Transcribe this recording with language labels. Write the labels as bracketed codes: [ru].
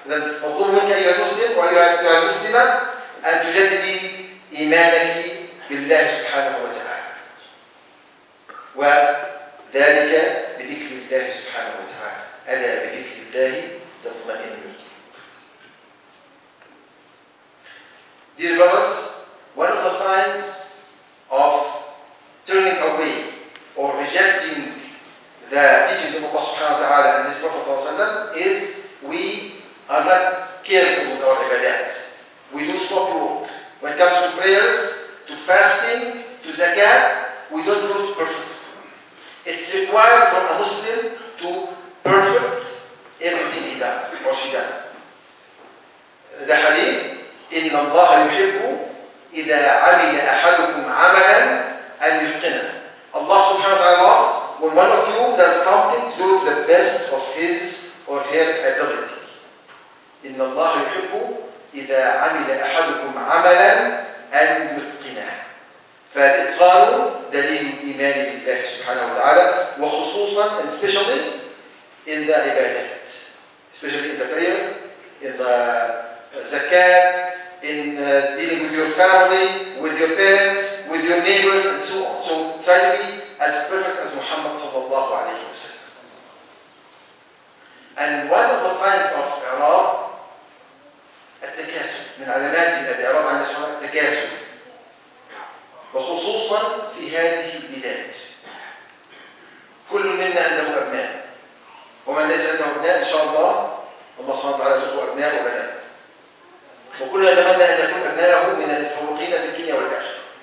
[ar] إذن مطلوب منك أيها المسلم وأيها المسلمة أن تجددي إيمانك بالله سبحانه وتعالى, وذلك بذكر الله سبحانه وتعالى. ألا بذكر الله تطمئن القلوب. [en] Dear brothers, one of the signs of turning away or rejecting the teachings of Allah سبحانه وتعالى and His Prophet صلى الله عليه وسلم is we are not careful with our ibadat. We do sloppy work. When it comes to prayers, to fasting, to zakat, we don't do it perfectly. It's required from a Muslim to perfect everything he does or she does. The hadith, [ar] إِنَّ اللَّهَ يُحِبُّ إِذَا عَمِلَ أَحَدُكُمْ عَمَلًا أَنْ يُتْقِنَهُ. [en] Allah subhanahu wa ta'ala loves when one of you does something to the best of his or her ability. [ar] إن الله يحب إذا عمل أحدكم عملا أن يتقنه. فالإتقان دليل الإيمان بالله سبحانه وتعالى, وخصوصا [en] and especially in the عبادات, especially in the prayer, in the zakat, in dealing with your family, with your parents, with your neighbors and so on. So try to be as perfect as Muhammad صلى الله عليه وسلم. And one of the signs of [ar] إعراض التكاسل, من علامات الإعراض عن الإسلام التكاسل, وخصوصا في هذه البلاد. كل منا عنده أبناء, ومن ليس عنده أبناء إن شاء الله الله سبحانه وتعالى يرزقه أبناء وبنات, وكلنا نتمنى أن يكون أبناءه من المتفوقين في الدنيا والآخرة.